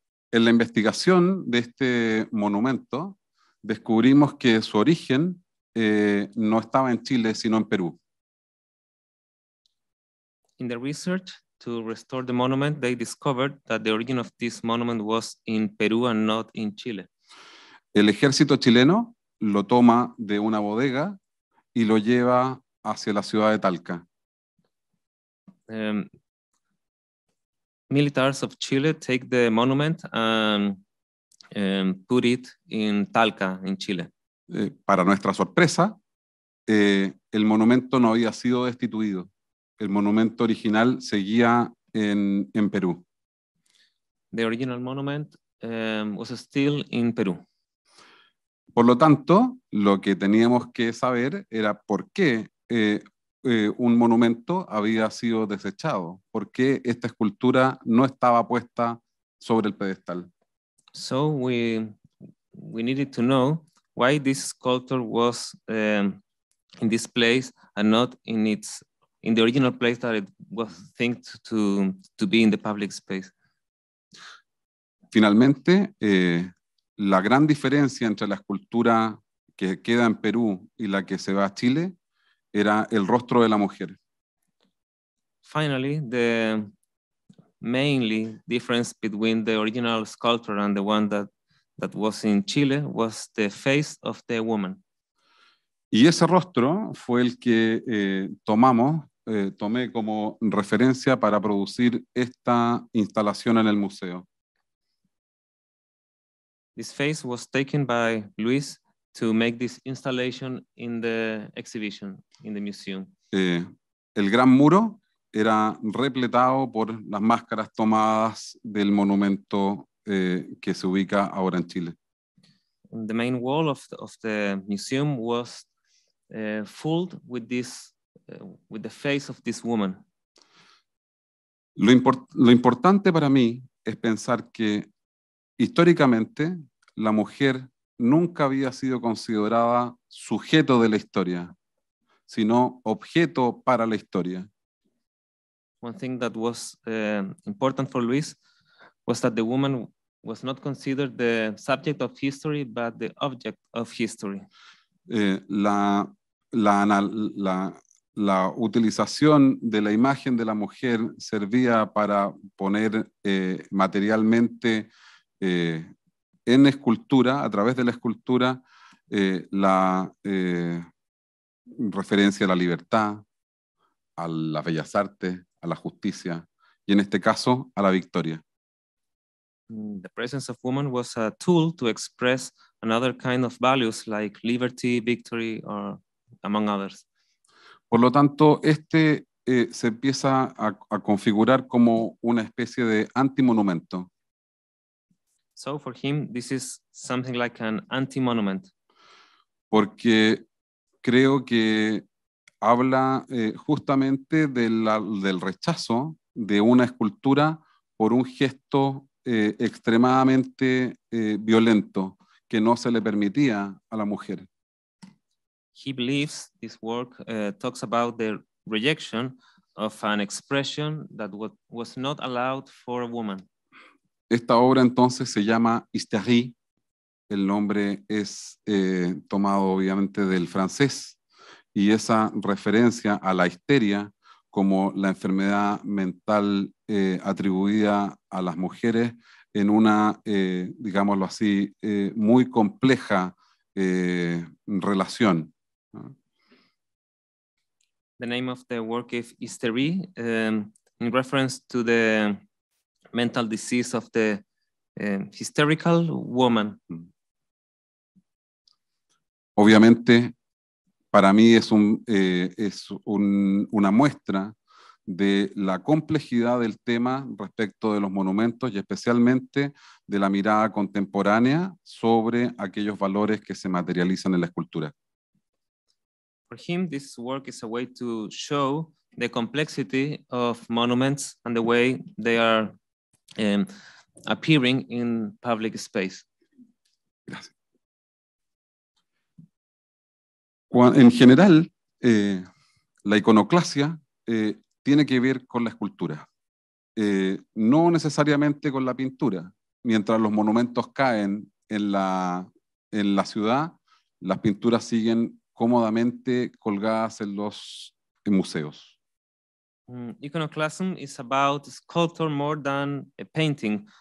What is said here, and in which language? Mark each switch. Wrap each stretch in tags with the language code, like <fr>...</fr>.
<es>En la investigación de este monumento descubrimos que su origen no estaba en Chile sino en Perú.</es> <en>In the research to restore the monument, they discovered that the origin of this monument was in Peru and not in Chile.</en> <es>El ejército chileno lo toma de una bodega y lo lleva hacia la ciudad de Talca.</es> <en>Militars of Chile take the monument and put it in Talca, in Chile.</en> <es>Para nuestra sorpresa, el monumento no había sido destituido. El monumento original seguía en Perú.</es> <en>The original monument was still in Peru.</en> <es>Por lo tanto, lo que teníamos que saber era por qué un monumento había sido desechado, por qué esta escultura no estaba puesta sobre el pedestal.</es> <en>So we needed to know why this sculpture was in this place and not in the original place that it was thought to be in the public space.</en> <es>Finalmente, la gran diferencia entre la escultura que queda en Perú y la que se va a Chile era el rostro de la mujer.</es> <en>Finally, the mainly difference between the original sculpture and the one that was in Chile was the face of the woman.</en> <es>Y ese rostro fue el que tomé como referencia para producir esta instalación en el museo.</es> <en>This face was taken by Luis to make this installation in the exhibition, in the museum.</en> <es>El gran muro era repletado por las máscaras tomadas del monumento que se ubica ahora en Chile.</es> <en>The main wall of the museum was filled with this with the face of this woman.</en> <es>Lo importante para mí es pensar que históricamente la mujer nunca había sido considerada sujeto de la historia, sino objeto para la historia.</es> <en>One thing that was important for Luis was that the woman was not considered the subject of history, but the object of history.</en> <es>La utilización de la imagen de la mujer servía para poner materialmente en escultura, a través de la escultura, referencia a la libertad, a las bellas artes, a la justicia, y en este caso, a la victoria.</es> <en>The presence of woman was a tool to express another kind of values, like liberty, victory, or among others.</en> <es>Por lo tanto, este se empieza a configurar como una especie de antimonumento.</es> <en>So for him, this is something like an anti-monument.</en> <es>Porque creo que habla justamente del rechazo de una escultura por un gesto extremadamente violento que no se le permitía a la mujer.</es> <en>he believes this work talks about the rejection of an expression that was not allowed for a woman.</en> <es>Esta obra entonces se llama Hystérie. El nombre es tomado obviamente del francés y esa referencia a la histeria como la enfermedad mental atribuida a las mujeres en una, digámoslo así, muy compleja relación.</es> <en>The name of the work is Hysterie, in reference to the mental disease of the hysterical woman.</en> <es>Obviamente, para mí es un es un una muestra de la complejidad del tema respecto de los monumentos y especialmente de la mirada contemporánea sobre aquellos valores que se materializan en la escultura.</es> <en>For him, this work is a way to show the complexity of monuments and the way they are appearing in public space.</en> <es>Gracias. En general, la iconoclasia tiene que ver con la escultura, no necesariamente con la pintura. Mientras los monumentos caen en la ciudad, las pinturas siguen cómodamente colgadas en los museos.</es> <en>Iconoclasm is about sculpture more than a painting.</en>